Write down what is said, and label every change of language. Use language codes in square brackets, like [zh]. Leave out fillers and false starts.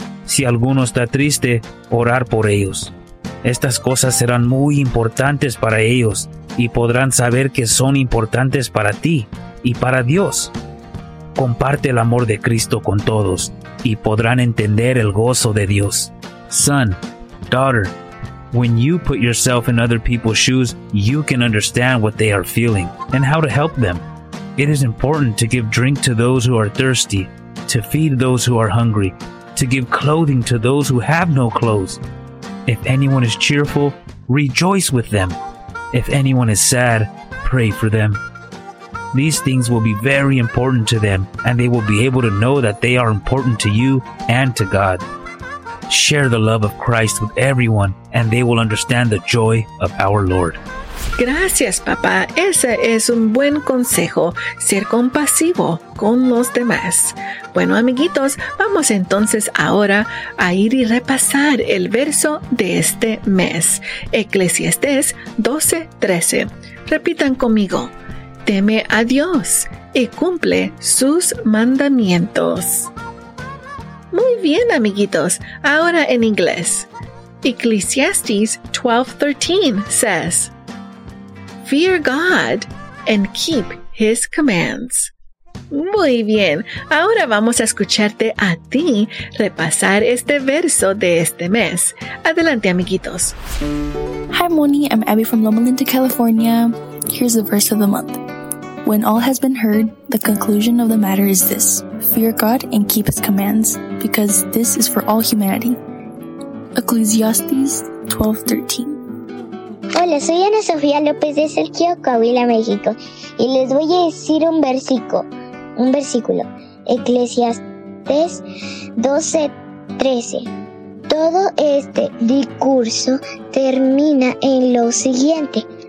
[es] Si alguno está triste, orar por ellos. Estas cosas serán muy importantes para ellos y podrán saber que son importantes para ti y para Dios. Comparte el amor de Cristo con todos y podrán entender el gozo de Dios. [en] Son, daughter, when you put yourself in other people's shoes, you can understand what they are feeling and how to help them. It is important to give drink to those who are thirsty, to feed those who are hungry, to give clothing to those who have no clothes. If anyone is cheerful, rejoice with them. If anyone is sad, pray for them. These things will be very important to them, and they will be able to know that they are important to you and to God. Share the love of Christ with everyone, and they will understand the joy of our Lord. [es] Gracias, papá. Ese es un buen consejo, ser compasivo con los demás. Bueno, amiguitos, vamos entonces ahora a ir y repasar el verso de este mes. Eclesiastés 12, 13. Repitan conmigo. Teme a Dios y cumple sus mandamientos. Muy bien, amiguitos. Ahora en inglés. [en] Ecclesiastes 12:13 says, Fear God and keep His commands. [es] Muy bien. Ahora vamos a escucharte a ti repasar este verso de este mes. Adelante, amiguitos. [en] Hi, Moni. I'm Abby from Loma Linda, California. Here's the verse of the month. When all has been heard, the conclusion of the matter is this. Fear God and keep His commands, because this is for all humanity. Ecclesiastes 12:13. [es] Hola, soy Ana Sofía López de Sergio, Coahuila, México. Y les voy a decir un versículo. Un versículo. Eclesiastes 12:13. Todo este discurso termina en lo siguiente.